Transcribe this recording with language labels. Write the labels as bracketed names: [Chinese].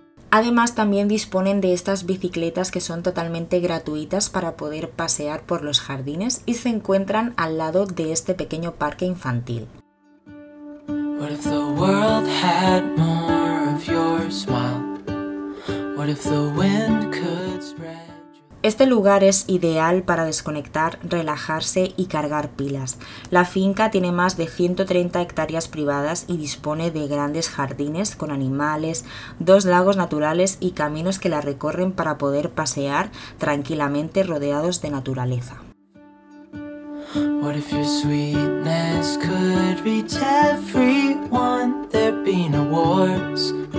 [Spanish] Además, también disponen de estas bicicletas que son totalmente gratuitas para poder pasear por los jardines y se encuentran al lado de este pequeño parque infantil. [English] What if the world had more of your smile? What if the wind could spread? [Spanish] Este lugar es ideal para desconectar, relajarse y cargar pilas. La finca tiene más de 130 hectáreas privadas y dispone de grandes jardines con animales, dos lagos naturales y caminos que la recorren para poder pasear tranquilamente rodeados de naturaleza. [English] What if your sweetness could reach everyone? There'd be no wars.